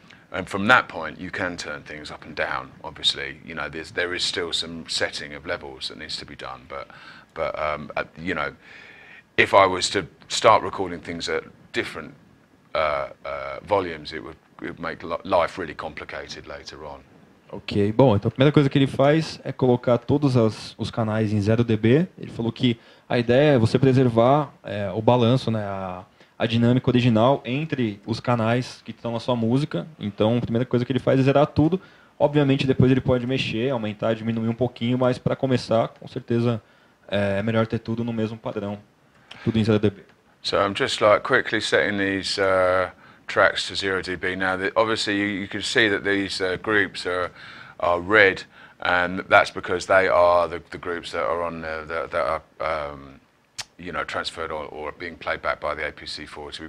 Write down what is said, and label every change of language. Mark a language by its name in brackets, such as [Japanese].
[English] And from that point, you can turn things up and down. Obviously, you know, there is still some setting of levels that needs to be done. But you know, if I was to start recording things at different volumes, it would make life really complicated later on. [Portuguese] Ok, bom, então a primeira coisa que ele faz é colocar todos os canais em 0 dB. Ele falou que a ideia é você preservar o balanço, né, a dinâmica original entre os canais que estão na sua música. Então a primeira coisa que ele faz é zerar tudo. Obviamente depois ele pode mexer, aumentar, diminuir um pouquinho, mas para começar, com certeza, é melhor ter tudo no mesmo padrão, tudo em 0 dB. [English] So I'm just like quickly setting these tracks to 0 dB. Now, obviously, you can see that these groups are red, and that's because they are the groups that are on transferred or being played back by the APC-40.